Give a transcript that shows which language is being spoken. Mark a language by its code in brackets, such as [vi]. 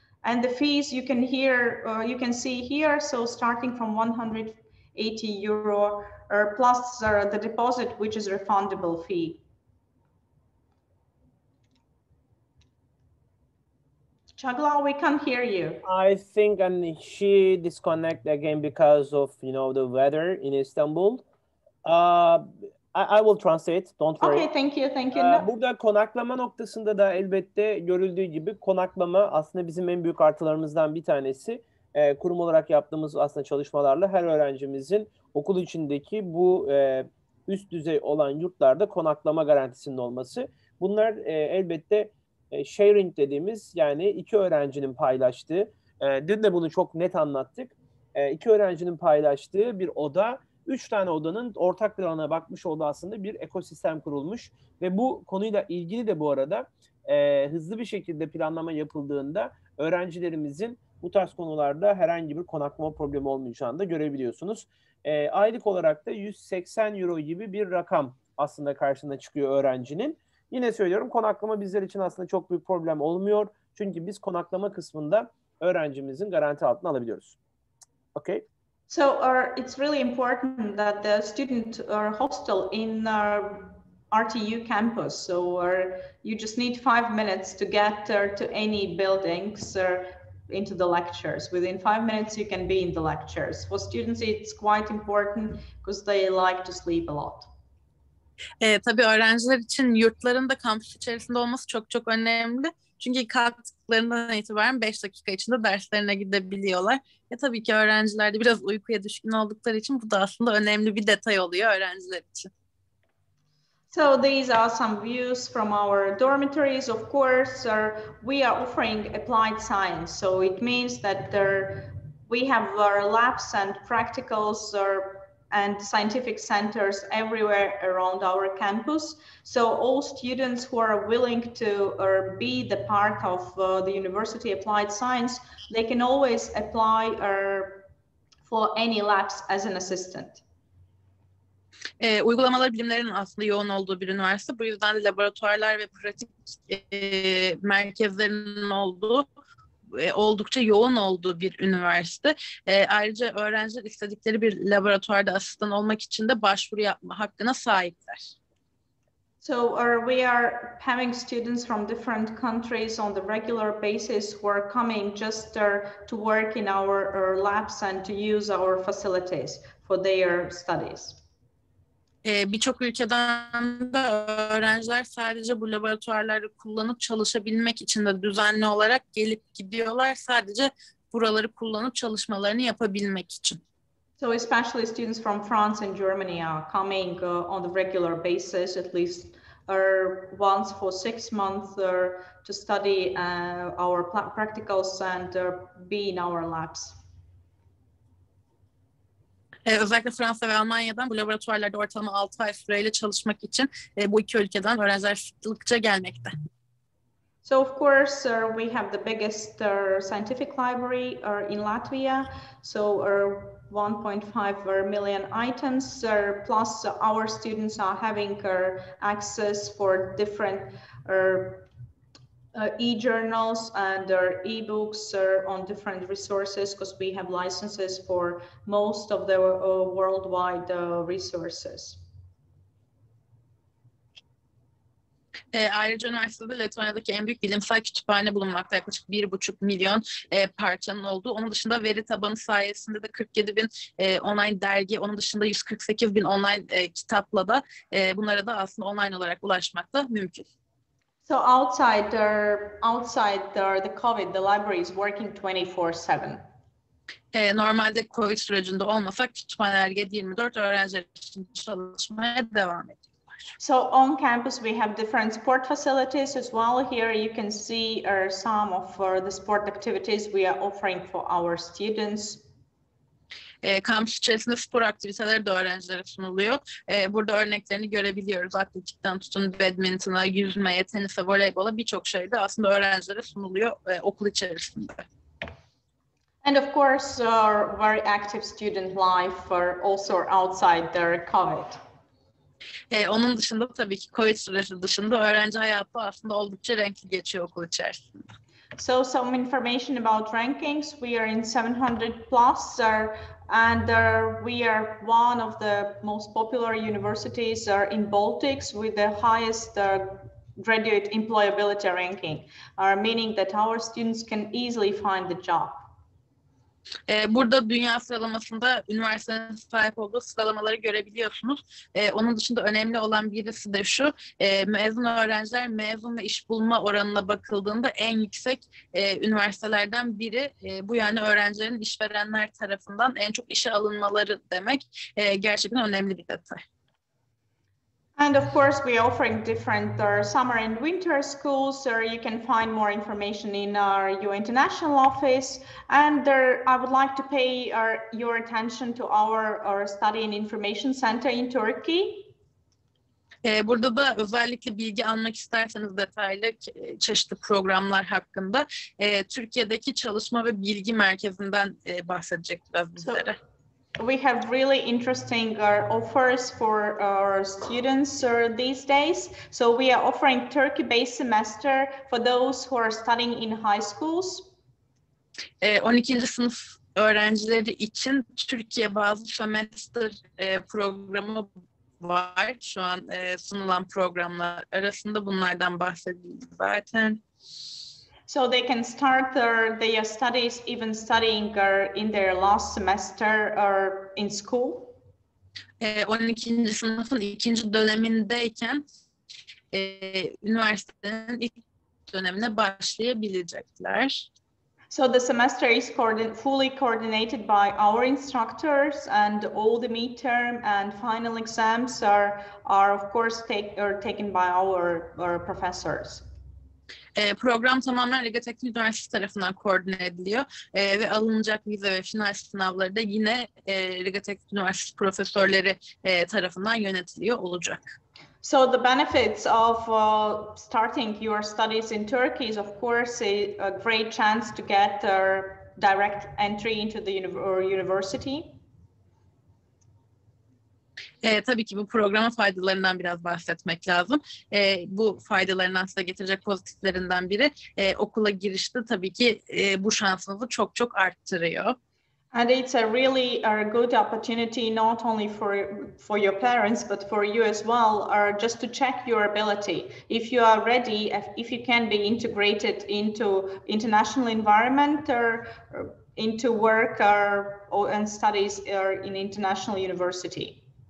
[en] And the fees you can hear, you can see here. So starting from 180 euro plus the deposit, which is refundable fee. Chaglao, we can't hear you. I think she disconnect again because of, you know, the weather in Istanbul. I will translate, don't worry. Okay, thank you. [tr] Burada konaklama noktasında da elbette görüldüğü gibi konaklama aslında bizim en büyük artılarımızdan bir tanesi. Kurum olarak yaptığımız aslında çalışmalarla her öğrencimizin okul içindeki bu üst düzey olan yurtlarda konaklama garantisinin olması. Bunlar elbette sharing dediğimiz, yani iki öğrencinin paylaştığı, dün de bunu çok net anlattık, iki öğrencinin paylaştığı bir oda, üç tane odanın ortak bir alana bakmış olduğu aslında bir ekosistem kurulmuş. Ve bu konuyla ilgili de bu arada hızlı bir şekilde planlama yapıldığında öğrencilerimizin bu tarz konularda herhangi bir konaklama problemi olmayacağını da görebiliyorsunuz. Aylık olarak da 180 euro gibi bir rakam aslında karşına çıkıyor öğrencinin. Yine söylüyorum, konaklama bizler için aslında çok büyük problem olmuyor. Çünkü biz konaklama kısmında öğrencimizin garanti altına alabiliyoruz. [en] Okay. So it's really important that the student hostel in RTU campus. So you just need 5 minutes to get to any buildings into the lectures. Within 5 minutes you can be in the lectures. For students it's quite important because they like to sleep a lot. [tr] Tabii öğrenciler için yurtların da kampüs içerisinde olması çok çok önemli. Çünkü kalktıklarından itibaren 5 dakika içinde derslerine gidebiliyorlar. Ya tabii ki öğrenciler de biraz uykuya düşkün oldukları için bu da aslında önemli bir detay oluyor öğrenciler için. [en] So these are some views from our dormitories. Of course, we are offering applied science. So it means that we have our labs and practicals and scientific centers everywhere around our campus. So all students who are willing to be the part of the university applied science, they can always apply for any labs as an assistant. [tr] Uygulamalar bilimlerinin aslında yoğun olduğu bir üniversite. Bu yüzden de laboratuvarlar ve pratik merkezlerinin olduğu oldukça yoğun olduğu bir üniversite. Ayrıca öğrenciler istedikleri bir laboratuvarda asistan olmak için de başvuru yapma hakkına sahipler. [en] So we are having students from different countries on the regular basis who are coming just to work in our labs and to use our facilities for their studies. [tr] Birçok ülkeden de öğrenciler sadece bu laboratuvarları kullanıp çalışabilmek için de düzenli olarak gelip gidiyorlar sadece buraları kullanıp çalışmalarını yapabilmek için. [en] So especially students from France and Germany are coming on the regular basis at least once for 6 months to study our practicals and be in our labs. [tr] Özellikle Fransa ve Almanya'dan bu laboratuvarlarda ortalama 6 ay süreyle çalışmak için bu iki ülkeden öğrenciler sıklıkça gelmekte. [en] So of course we have the biggest scientific library in Latvia. So 1.5 million items plus our students are having access for different e-journals and our e-books on different resources because we have licenses for most of the worldwide resources. [tr] Ayrıca üniversitede Letonya'daki en büyük bilimsel kütüphane bulunmakta yaklaşık 1,5 milyon parçanın olduğu. Onun dışında veri tabanı sayesinde de 47 bin online dergi, onun dışında 148 bin online kitapla da bunlara da aslında online olarak ulaşmak da mümkün. [en] So outside the COVID, the library is working 24/7. [tr] Normalde COVID sürecinde olmasak kütüphanelerde 24 öğrenciler için çalışmaya devam ediyorlar. [en] So on campus we have different sport facilities as well. Here you can see some of the sport activities we are offering for our students. [tr] Kampüs içerisinde spor aktiviteleri de öğrencilere sunuluyor. Burada örneklerini görebiliyoruz. Atletikten tutun badminton'a, yüzmeye, tenise, voleybola birçok şey de aslında öğrencilere sunuluyor okul içerisinde. [en] And of course our very active student life also outside the COVID. [tr] Onun dışında tabii ki COVID süreci dışında öğrenci hayatı aslında oldukça renkli geçiyor okul içerisinde. [en] So some information about rankings. We are in 700 plus and we are one of the most popular universities in Baltics with the highest graduate employability ranking, meaning that our students can easily find the job. [tr] Burada dünya sıralamasında üniversitenin sahip olduğu sıralamaları görebiliyorsunuz. Onun dışında önemli olan birisi de şu, mezun öğrenciler mezun ve iş bulma oranına bakıldığında en yüksek üniversitelerden biri. Bu yani öğrencilerin işverenler tarafından en çok işe alınmaları demek gerçekten önemli bir detay. [en] And of course we are offering different summer and winter schools, so you can find more information in our UN International office. And I would like to pay your attention to our study and information center in Turkey. [tr] Burada da özellikle bilgi almak isterseniz detaylı çeşitli programlar hakkında Türkiye'deki çalışma ve bilgi merkezinden bahsedecek biraz bizlere. [en] So, we have really interesting offers for our students these days. So we are offering Turkey-based semester for those who are studying in high schools. [tr] 12. sınıf öğrencileri için Türkiye bazlı semester programı var. Şu an sunulan programlar arasında bunlardan bahsedeyim zaten. [en] So they can start their studies, even studying in their last semester or in school. [tr] 12. sınıfın ikinci dönemindeyken üniversitenin ilk dönemine başlayabilecekler. [en] So the semester is fully coordinated by our instructors, and all the midterm and final exams are of course taken by our professors. [tr] Program tamamen Ege Teknik Üniversitesi tarafından koordine ediliyor ve alınacak vize ve final sınavları da yine Ege Teknik Üniversitesi profesörleri tarafından yönetiliyor olacak. [en] So the benefits of starting your studies in Turkey is of course a great chance to get a direct entry into the university. [tr] Tabii ki bu programın faydalarından biraz bahsetmek lazım. Bu faydalarından size getirecek pozitiflerinden biri okula girişte tabii ki bu şansınızı çok çok arttırıyor. [en] And it's a really a good opportunity not only for your parents but for you as well, just to check your ability. If you are ready, if you can be integrated into international environment or into work or and studies or in international university.